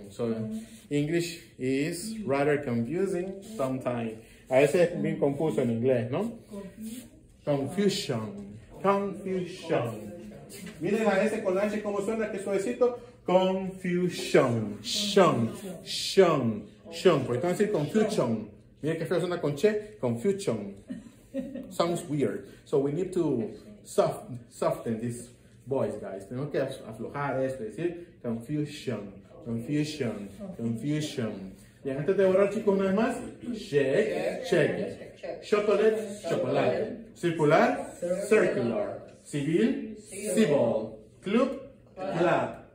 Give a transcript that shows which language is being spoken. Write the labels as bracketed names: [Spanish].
[English] So, English is rather confusing sometimes. [Spanish] A veces es bien confuso en inglés, ¿no? Confusion. Confusion. Miren a ese con la H como suena, que suavecito. [English] Confusion. Shun. Shun. Shun. [Spanish] ¿Por qué van a decir confusion? Miren que feo suena con che. [English] Confusion. Sounds weird. So we need to soften this voice, guys. [Spanish] Tenemos que aflojar esto, decir confusion. Confusion. Confusion. Y antes de borrar, chicos, una vez más. [English] Shake. Shake. Chocolate. Chocolate. Circular. Circular. Civil. Civil. Club. Club.